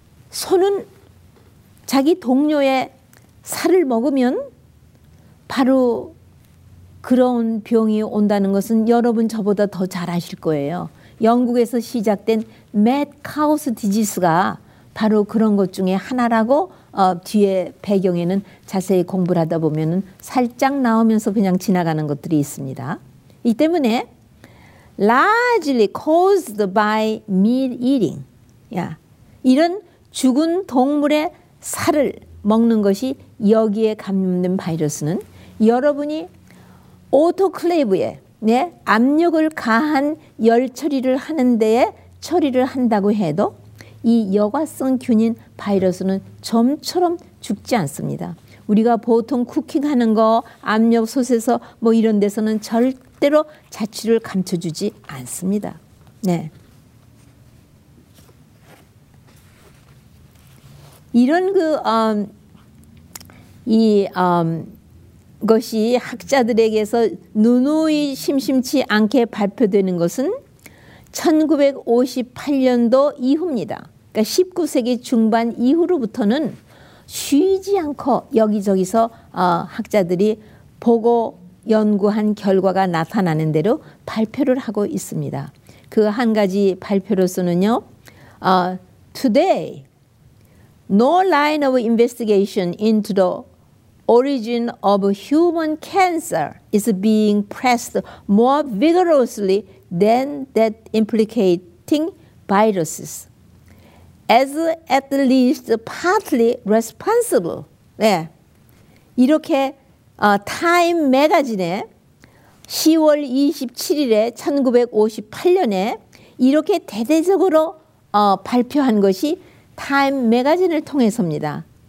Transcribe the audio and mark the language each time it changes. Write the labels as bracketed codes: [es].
[ko] 소는 자기 동료의 살을 먹으면 바로 그런 병이 온다는 것은 여러분 저보다 더 잘 아실 거예요. 영국에서 시작된 매드카우스 디지스가 바로 그런 것 중에 하나라고 뒤에 배경에는 자세히 공부를 하다 보면은 살짝 나오면서 그냥 지나가는 것들이 있습니다. 이 때문에 [en] largely caused by meat eating. [ko] 야, 이런 죽은 동물의 살을 먹는 것이 여기에 감염된 바이러스는 여러분이 오토클레이브에 네, 압력을 가한 열 처리를 하는 데에 처리를 한다고 해도 이 여과성 균인 바이러스는 점처럼 죽지 않습니다. 우리가 보통 쿠킹하는 거 압력솥에서 뭐 이런 데서는 절대로 자취를 감춰주지 않습니다. 네. 이런 그 이 것이 학자들에게서 누누이 심심치 않게 발표되는 것은 1958년도 이후입니다. 그러니까 19세기 중반 이후로부터는 쉬지 않고 여기저기서 학자들이 보고 연구한 결과가 나타나는 대로 발표를 하고 있습니다. 그 한 가지 발표로서는요. [en] Today, no line of investigation into the origin of human cancer is being pressed more vigorously than that implicating viruses. As at least partly responsible. [ko] 네. 이렇게 타임 매거진에 10월 27일에 1958년에 이렇게 대대적으로 발표한 것이 타임 매거진을 통해서입니다.